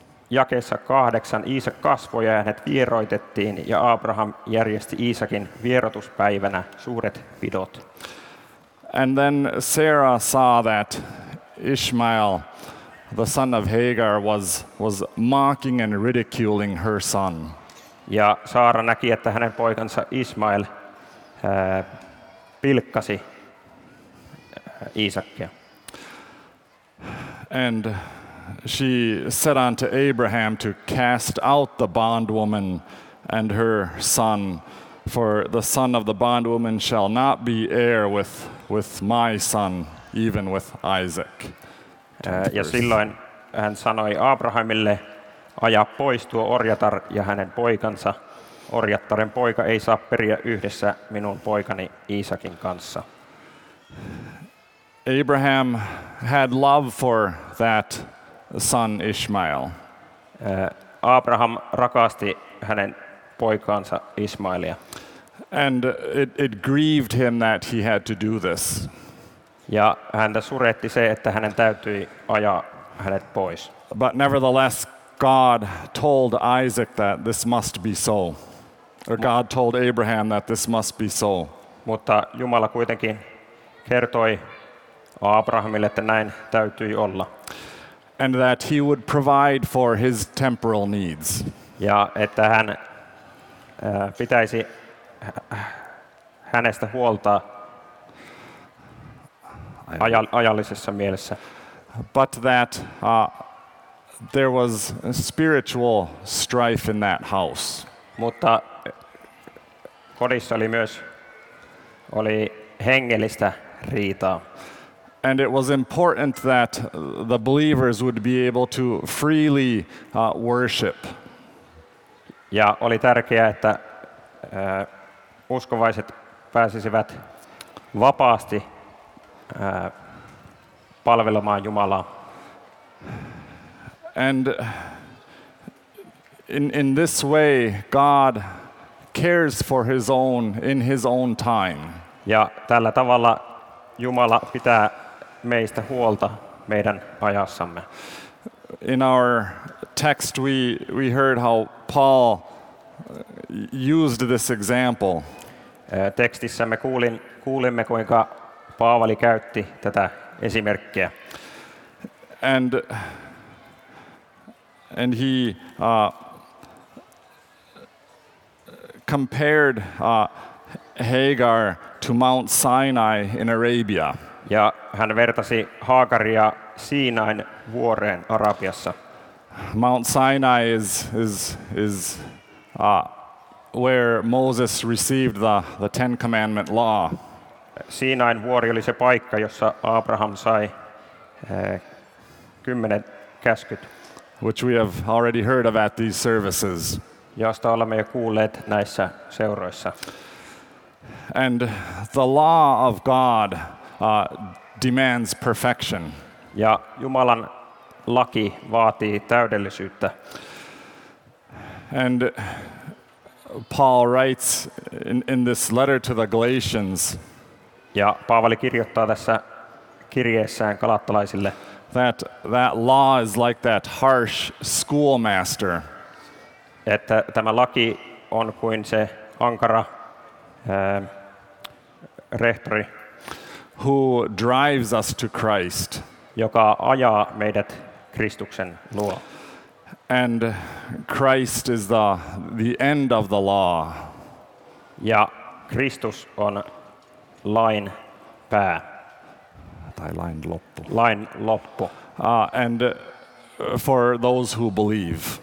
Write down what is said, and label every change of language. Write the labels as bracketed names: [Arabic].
[Finnish] Jakeessa 8 Iisak kasvoi ja hänet vieroitettiin ja Abraham järjesti Iisakin vierotuspäivänä suuret pidot. [English] And then Sarah saw that Ishmael the son of Hagar was mocking and ridiculing her son. [Finnish] Ja Saara näki, että hänen poikansa Ismael pilkkasi Iisakia. [English] And she said unto Abraham to cast out the bondwoman and her son, for the son of the bondwoman shall not be heir with my son, even with Isaac. [Finnish] Ja silloin hän sanoi Abrahamille, aja pois tuo orjatar ja hänen poikansa. Orjattaren poika ei saa periä yhdessä minun poikani Iisakin kanssa. [English] Abraham had love for that son Ishmael. [Finnish] Abraham rakasti hänen poikaansa Ismailia. [English] And it grieved him that he had to do this. [Finnish] Ja häntä suretti se, että hänen täytyi ajaa hänet pois. [English] But nevertheless, God told Isaac that this must be so. Or God told Abraham that this must be so. [Finnish] Mutta Jumala kuitenkin kertoi Abrahamille, että näin täytyi olla. [English] And that he would provide for his temporal needs. [Finnish] Ja että hän pitäisi hänestä huolta ajallisessa mielessä. [English] But that there was spiritual strife in that house. [Finnish] Mutta kodissa oli myös oli hengellistä riitaa. [English] And it was important that the believers would be able to freely worship. [Finnish] Ja oli tärkeää, että uskovaiset pääsisivät vapaasti palvelemaan Jumalaa. [English] And in this way God cares for his own in his own time. [Finnish] Ja tällä tavalla Jumala pitää meistä huolta meidän ajassamme. [English] In our text we heard how Paul used this example. [Finnish] Tekstissä me kuulimme kuinka Paavali käytti tätä esimerkkiä. [English] And he compared Hagar to Mount Sinai in Arabia. [Finnish] Ja hän vertasi Hagaria Siinain vuoreen Arabiassa. [English] Mount Sinai is where Moses received the Ten Commandment law. [Finnish] Siinain vuori oli se paikka, jossa Abraham sai 10 käskyt. [English] Which we have already heard of at these services. [Finnish] Josta olemme jo kuulleet näissä seuroissa. [English] And the law of God demands perfection. [Finnish] Ja Jumalan laki vaatii täydellisyyttä. [English] And Paul writes in this letter to the Galatians. [Finnish] Ja Paavali kirjoittaa tässä kirjeessään galattalaisille. [English] That law is like that harsh schoolmaster. [Finnish] Että tämä laki on kuin se ankara rehtori. [English] Who drives us to Christ. [Finnish] Joka ajaa meidät Kristuksen luo. [English] And Christ is the end of the law. [Finnish] Ja Kristus on lain pää. Tai lain loppu. Lain loppu. [English] And for those who believe.